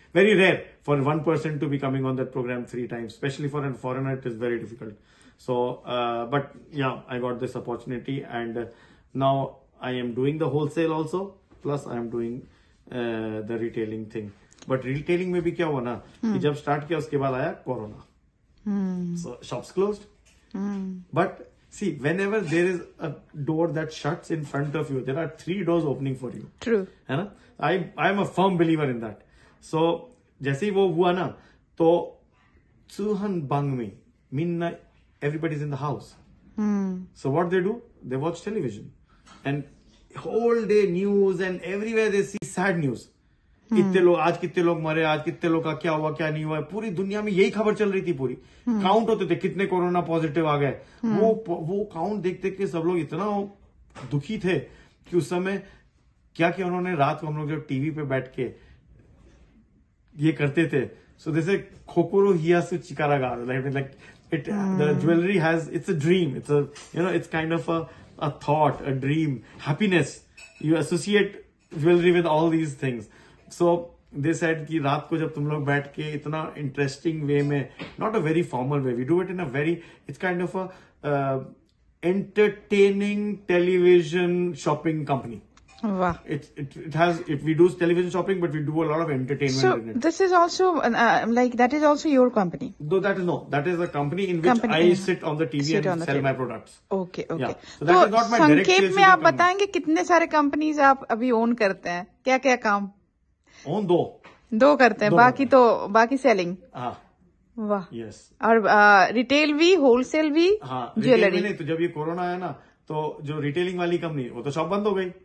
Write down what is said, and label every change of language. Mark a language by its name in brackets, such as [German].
[English] Very rare for 1 person to be coming on that program 3 times, specially for an foreigner it is very difficult. So but yeah I got this opportunity and now I am doing the wholesale also plus I am doing the retailing thing. [Hindi] But retailing में भी क्या हुआ ना, जब start किया उसके बाद आया corona. [English] So shops close. But see, whenever there is a door that shuts in front of you, there are 3 doors opening for you. True. [Hindi] है ना? [English] I am a firm believer in that. So, [Hindi] जैसे ही वो हुआ ना, तो सुहन बंग में, [English] mean everybody is in the house. So, what they do? They watch television. And whole day news and everywhere they see sad news. [Hindi] कितने लोग आज कितने लोग मरे, आज कितने लोग का क्या हुआ क्या नहीं हुआ, पूरी दुनिया में यही खबर चल रही थी पूरी। काउंट होते थे कितने कोरोना पॉजिटिव आ गए, वो काउंट देख देख के सब लोग इतना दुखी थे कि उस समय क्या किया उन्होंने। रात को हम लोग जब टीवी पे बैठ के ये करते थे, [English] so this is [Japanese] खोकोरो हियासु चिकारा गा, [English] Like it the jewellery has it's a dream, it's a you know it's kind of a thought, a dream, happiness, you associate jewellery with all these things. So they said [Hindi] कि रात को जब तुम लोग बैठ के [English] इतना interesting way में, not a very formal way, we do it in a very, it's kind of a entertaining television shopping company. Wow. It has, if we do television shopping, but we do a lot of entertainment. So this is also like, that is also your company? No, that is, no, that is a company in which company. I sit on the TV sit and the sell table. My products. Okay, okay. Yeah. So that is not my direct sales. [Hindi] संक्षेप में आप बताएंगे कितने सारे companies आप अभी own करते हैं, क्या क्या काम? Own दो. दो करते हैं, बाकी तो बाकी selling. हाँ. वाह. [English] Yes. [Hindi] और retail भी, wholesale भी. हाँ. Retail भी नहीं, तो जब ये corona आया ना, तो जो रिटेलिंग वाली कंपनी वो तो शॉप बंद हो गई।